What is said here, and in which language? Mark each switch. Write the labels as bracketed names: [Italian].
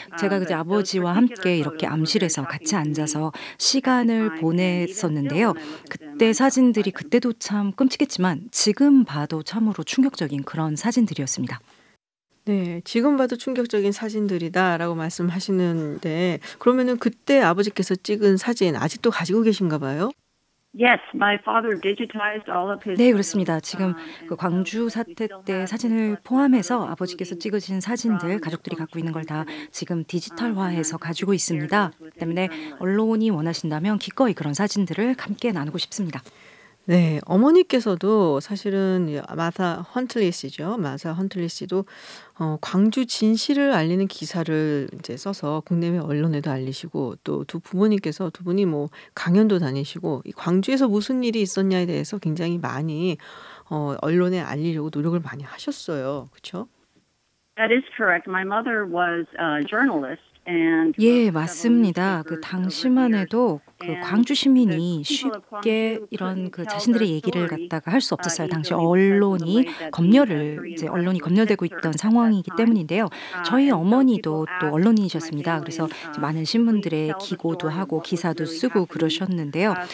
[Korean] 제가 그제 아버지와 함께 이렇게 암실에서 같이 앉아서 시간을 보냈었는데요. 그때 사진들이 그때도 참 끔찍했지만 지금 봐도 참으로 충격적인 그런 사진들이었습니다. 네, 지금 봐도 충격적인 사진들이다라고 말씀하시는데 그러면은 그때 아버지께서 찍은 사진 아직도 가지고 계신가 봐요? [English] Yes, my father digitized all of his. [Korean] 네, 그렇습니다. 지금 그 광주 사태 때 사진을 포함해서 아버지께서 찍으신 사진들 가족들이 갖고 있는 걸 다 지금 디지털화해서 가지고 있습니다. 때문에 언론이 원하신다면 기꺼이 그런 사진들을 함께 나누고 싶습니다. 네, 어머니께서도 사실은 마사 헌틀리 씨죠. 마사 헌틀리 씨도 광주 진실을 알리는 기사를 이제 써서 국내외 언론에도 알리시고 또 두 부모님께서 두 분이 뭐 강연도 다니시고 이 광주에서 무슨 일이 있었냐에 대해서 굉장히 많이 언론에 알리려고 노력을 많이 하셨어요. 그렇죠? [English] That is correct. My mother was a journalist. [Korean] 예, 맞습니다. 그 당시만 해도 그 광주 시민이 쉽게 이런 그 자신들의 얘기를 갖다가 할 수 없었어요. 당시 언론이 검열을 이제 언론이 검열되고 있던 상황이기 때문인데요. 저희 어머니도 또 언론인이셨습니다. 그래서 많은 신문들의 기고도 하고 기사도 쓰고 그러셨는데요.